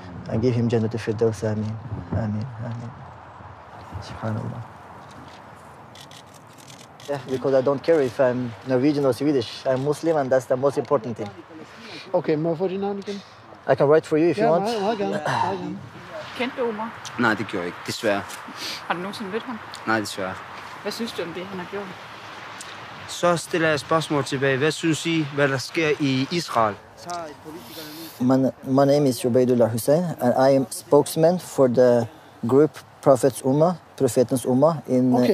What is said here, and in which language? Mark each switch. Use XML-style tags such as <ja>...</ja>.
<en>And give him jannat al-firdaws. Ameen. Ameen. Ameen. Subhanallah. Yeah, because I don't care if I'm Norwegian or Swedish. I'm Muslim and that's the most important thing. Okay, my 49 again. I can write for you if you want.</en> <da>Kendte du Omar? Nej, det gjorde jeg ikke. Desværre. Har du nogensinde mødt ham? Nej, desværre. Hvad synes du om det, han har gjort? Så stiller jeg spørgsmål tilbage. Hvad synes I, hvad der sker I Israel?</da> <en>My name is Ubaidullah Hussein, and I am spokesman for the group Prophets Ummah, Profetens Ummah in, okay.</en>